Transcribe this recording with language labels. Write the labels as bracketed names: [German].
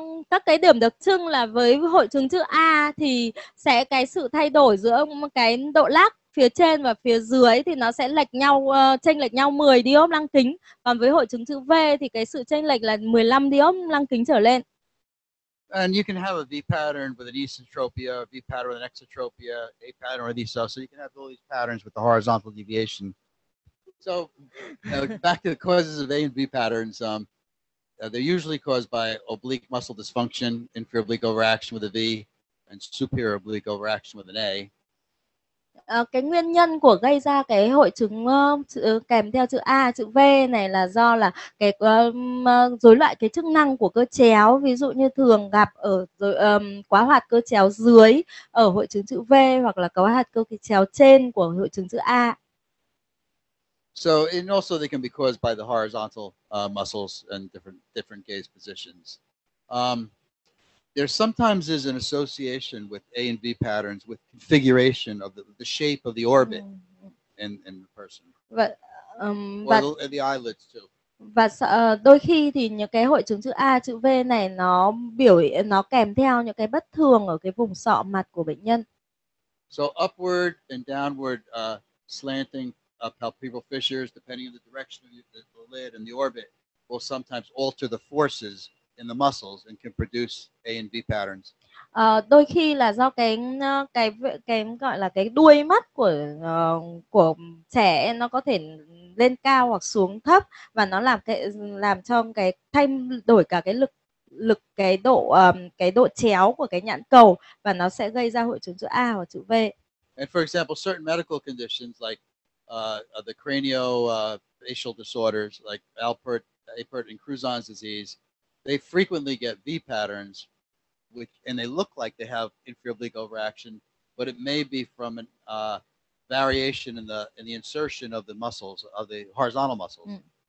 [Vietnamese] Các cái điểm đặc trưng là với hội chứng chữ A thì sẽ cái sự thay đổi giữa cái độ lác phía trên và phía dưới thì nó sẽ lệch nhau chênh lệch nhau 10 diop lăng kính, còn với hội chứng chữ V thì cái sự chênh lệch là 15 diop lăng kính trở lên. [English] And you can have a V pattern with an esotropia, a V pattern with an exotropia, A pattern with these, so you can have all these patterns with the horizontal deviation. So back to the causes of A and V patterns, they're usually caused by oblique muscle dysfunction, inferior oblique overaction with a V, and superior oblique overaction with an A. [Vietnamese] cái nguyên nhân của gây ra cái hội chứng kèm theo chữ A, chữ V này là do là cái rối loạn cái chức năng của cơ chéo, ví dụ như thường gặp ở quá hoạt cơ chéo dưới ở hội chứng chữ V hoặc là quá hoạt cơ chéo trên của hội chứng chữ A. [English] So, and also they can be caused by the horizontal muscles and different gaze positions. There sometimes is an association with A and B patterns with configuration of the shape of the orbit in the person. Or the eyelids too. [Vietnamese] Và đôi khi thì những cái hội chứng chữ A, chữ V này nó kèm theo những cái bất thường ở cái vùng sọ mặt của bệnh nhân. [English] So upward and downward slanting of palpebral fissures, depending on the direction of the lid and the orbit, will sometimes alter the forces in the muscles and can produce A and B patterns. [Vietnamese] Đôi khi là do cái gọi là cái đuôi mắt của trẻ nó có thể lên cao hoặc xuống thấp và nó làm cho cái thay đổi cả cái lực cái độ chéo của cái nhãn cầu và nó sẽ gây ra hội chứng chữ A hoặc chữ V. [English] And for example, certain medical conditions like the craniofacial disorders like Alport and Crouzon's disease, they frequently get V patterns, which and they look like they have inferior oblique overaction, but it may be from a variation in the insertion of the muscles, of the horizontal muscles.